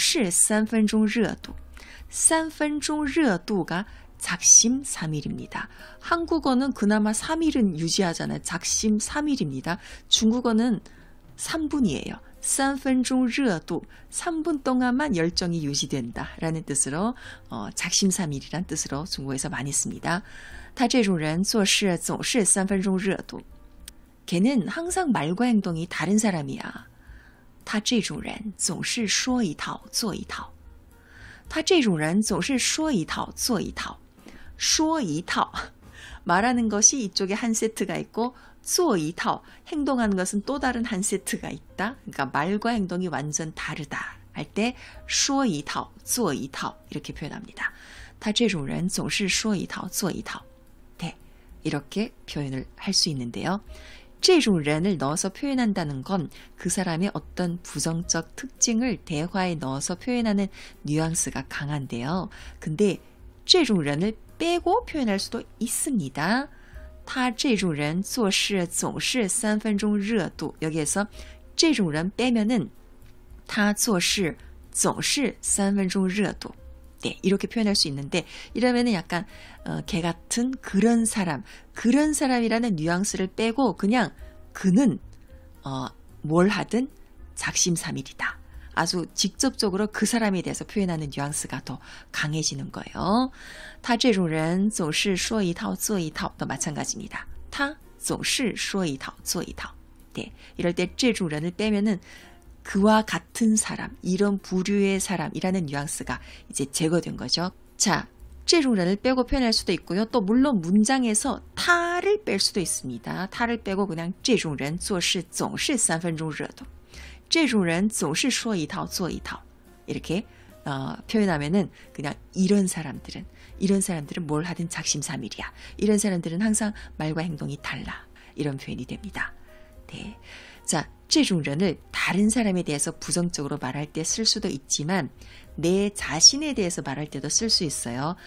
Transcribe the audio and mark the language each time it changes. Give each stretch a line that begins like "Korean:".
Chinese: 他这种人做事总是三分钟热度.三分钟热度가
Korean: 작심삼일입니다. 한국어는 그나마 3일은 유지하잖아요. 작심삼일입니다. 중국어는 3분이에요.
Chinese: 三分钟热度,
Korean: 3분 동안만 열정이 유지된다 라는 뜻으로 작심삼일이란 뜻으로 중국에서 많이 씁니다.
Chinese: 他这种人做事总是三分钟热度.
Korean: 걔는 항상 말과 행동이 다른 사람이야.
Chinese: 他这种人总是说一套做一套.他这种人总是说一套做一套. 说一套,
Korean: 말하는 것이 이쪽에 한 세트가 있고
Chinese: 做一套,
Korean: 행동하는 것은 또 다른 한 세트가 있다. 그러니까 말과 행동이 완전 다르다 할 때
Chinese: 说一套做一套
Korean: 이렇게 표현합니다.
Chinese: 他这种人总是说一套做一套.
Korean: 이렇게 표현을 할 수 있는데요. 这种人을 넣어서 표현한다는 건 그 사람의 어떤 부정적 특징을 대화에 넣어서 표현하는 뉘앙스가 강한데요. 근데 这种人을 빼고 표현할 수도 있습니다.
Chinese: 他这种人做事总是三分钟热度.
Korean: 여기에서 这种人 빼면은
Chinese: 他做事总是三分钟热度.
Korean: 네, 이렇게 표현할 수 있는데 이러면은 약간 개 같은 그런 사람, 그런 사람이라는 뉘앙스를 빼고 그냥 그는 뭘 하든 작심삼일이다. 아주 직접적으로 그 사람에 대해서 표현하는 뉘앙스가 더 강해지는 거예요.
Chinese: 他这种人总是说一套做一套.
Korean: 또 마찬가지입니다.
Chinese: 他总是说一套做一套.
Korean: 네, 이럴 때 这种人을 빼면은 그와 같은 사람, 이런 부류의 사람이라는 뉘앙스가 이제 제거된 거죠. 자, 这种人을 빼고 표현할 수도 있고요. 또 물론 문장에서 他를 뺄 수도 있습니다. 他를 빼고 그냥
Chinese: 这种人做事总是三分钟热度. 这种人总是说一套做一套.
Korean: 이렇게 표현하면은 그냥 이런 사람들은 뭘 하든 작심삼일이야. 이런 사람들은 항상 말과 행동이 달라. 이런 표현이 됩니다. 네. 자, 这种人을 다른 사람에 대해서 부정적으로 말할 때 쓸 수도 있지만 내 자신에 대해서 말할 때도 쓸 수 있어요.